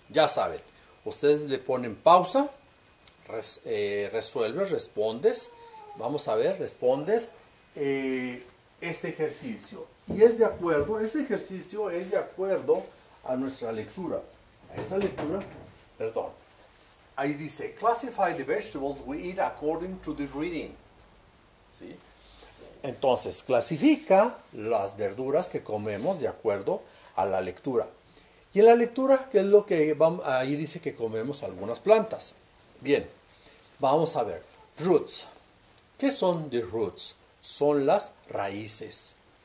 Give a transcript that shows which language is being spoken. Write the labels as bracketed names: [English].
[Spanish] Ya saben, ustedes le ponen pausa, resuelves, respondes. Vamos a ver, respondes este ejercicio. Y es de acuerdo, ese ejercicio es de acuerdo a nuestra lectura. A esa lectura, perdón. Ahí dice, [English] classify the vegetables we eat according to the reading. [Spanish] ¿Sí? Entonces, clasifica las verduras que comemos de acuerdo a la lectura. Y en la lectura, ¿qué es lo que vamos? Ahí dice que comemos algunas plantas. Bien, vamos a ver. Roots. ¿Qué son the roots? Son las raíces.